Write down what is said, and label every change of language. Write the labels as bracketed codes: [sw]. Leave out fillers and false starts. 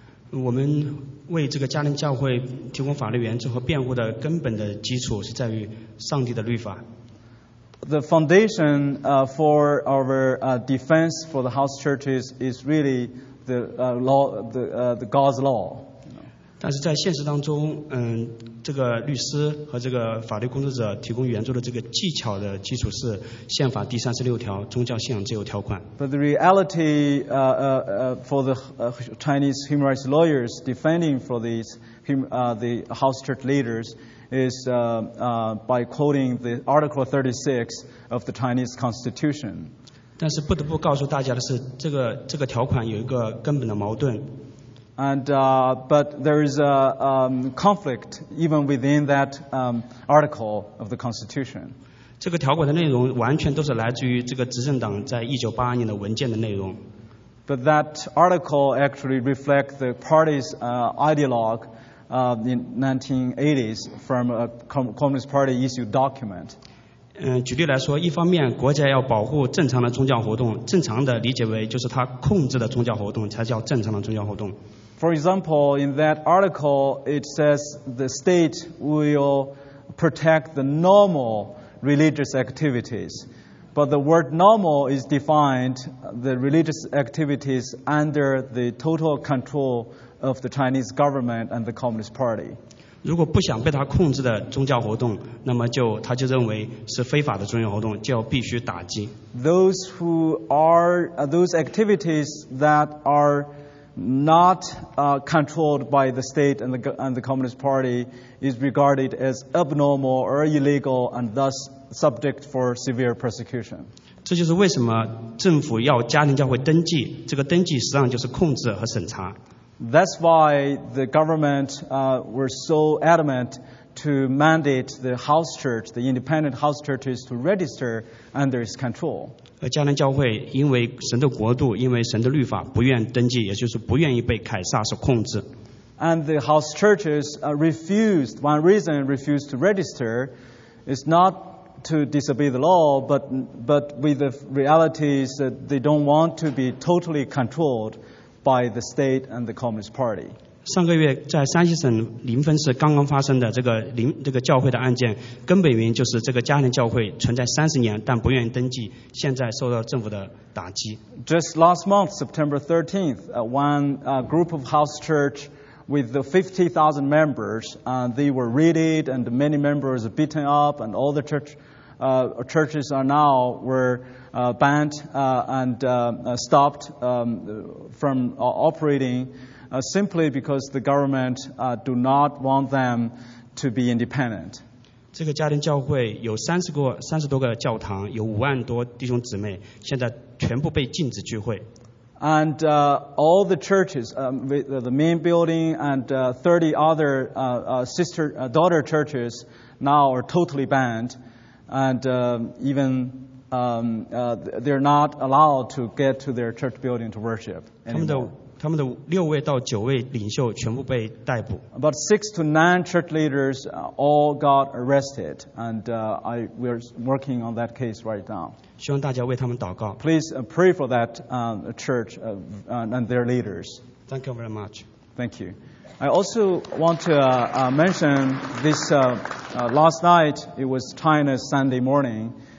[zh] 我们为这个加林教会提供法律援助和辩护的根本的基础是在于上帝的律法。 [en] The foundation for our defense for the house churches is really the law, the God's law. [zh] 但是在现实当中，这个律师和这个法律工作者提供援助的这个技巧的基础是宪法第36条宗教信仰自由条款。 [en] But the reality for the Chinese human rights lawyers defending for these the house church leaders is by quoting the Article 36 of the Chinese Constitution. [zh] 但是不得不告诉大家的是，这个条款有一个根本的矛盾。 [en] And but there is a conflict even within that article of the Constitution. [zh] 这个条款的内容完全都是来自于这个执政党在1982年的文件的内容。 [en] But that article actually reflects the party's ideologue in 1980s from a Communist Party issued document. [zh] 举例来说，一方面国家要保护正常的宗教活动，正常的理解为就是他控制的宗教活动才叫正常的宗教活动。 [en] For example, in that article, it says the state will protect the normal religious activities. But the word normal is defined the religious activities under the total control of the Chinese government and the Communist Party. [zh] 如果不想被他控制的宗教活动，那么他就认为是非法的宗教活动，就要必须打击。 [en] Those activities that are not controlled by the state and the Communist Party is regarded as abnormal or illegal and thus subject for severe persecution. [zh] 这就是为什么政府要家庭教会登记，这个登记实际上就是控制和审查。 [en] That's why the government were so adamant to mandate the house church, the independent house churches to register under its control. [zh] 而迦南教会因为神的国度，因为神的律法，不愿登记，也就是不愿意被凯撒所控制。 [en] And the house churches refused, one reason refused to register is not to disobey the law, but with the realities that they don't want to be totally controlled by the state and the Communist Party. [zh] 上个月在山西省临汾市刚刚发生的这个教会的案件，根本原因就是这个迦南教会存在30年但不愿意登记，现在受到政府的打击。 [en] Just last month, September 13th, one group of house church with the 50,000 members, they were raided and many members beaten up, and all the churches are now were banned and stopped from operating simply because the government do not want them to be independent. [zh] 这个家庭教会有30多个教堂，有5万多弟兄姊妹，现在全部被禁止聚会。 [en] And all the churches, the main building and 30 other sister-daughter churches now are totally banned. And they're not allowed to get to their church building to worship anymore. [zh] 他们的6位到9位领袖全部被逮捕。 [en] About 6 to 9 church leaders all got arrested. And we're working on that case right now. [zh] 希望大家为他们祷告。 [en] Please pray for that church and their leaders. Thank you very much. Thank you. I also want to mention this last night, it was China's Sunday morning.